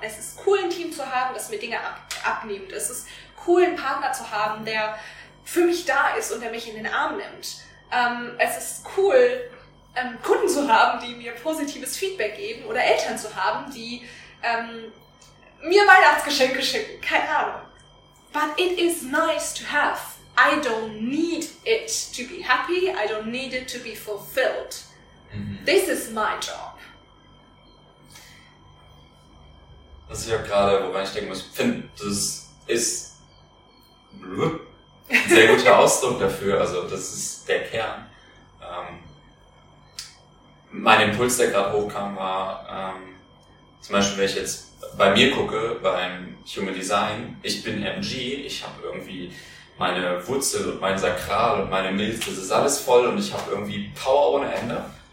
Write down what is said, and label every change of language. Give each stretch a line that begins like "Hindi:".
German: Es ist cool, ein Team zu haben, das mir Dinge abnimmt. Es ist cool, einen Partner zu haben, der für mich da ist und der mich in den Arm nimmt. Es ist cool, Kunden zu haben, die mir positives Feedback geben oder Eltern zu haben, die mir Weihnachtsgeschenke schicken. Keine Ahnung.
English: But it is nice to have. I don't need it to be happy. I don't need it to be fulfilled. This is my job.
German: Was ich auch gerade, woran ich denken muss, finde, das ist ein sehr guter Ausdruck dafür. Also das ist der Kern. Mein Impuls, der gerade hochkam, war, zum Beispiel, wenn ich jetzt bei mir gucke, beim Human Design, ich bin MG, ich habe irgendwie meine Wurzel und mein Sakral und meine Milz, das ist alles voll und ich habe irgendwie Power ohne Ende.